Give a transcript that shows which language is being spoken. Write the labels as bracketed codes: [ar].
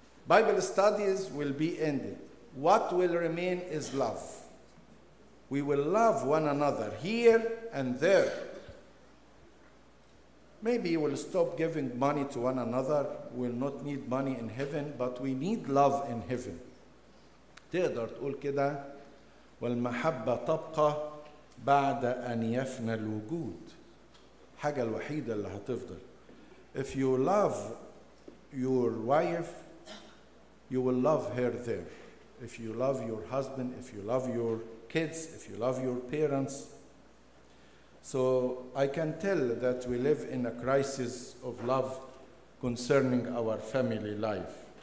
[en] Bible studies will be ended. What will remain is love. We will love one another here and there. Maybe we'll stop giving money to one another. We'll not need money in heaven, but we need love in heaven. [ar] تقدر تقول كده والمحبة تبقى بعد أن يفنى الوجود. حاجة الوحيدة اللي هتفضل. [en] If you love your wife, you will love her there. If you love your husband, if you love your kids, if you love your parents. So I can tell that we live in a crisis of love concerning our family life.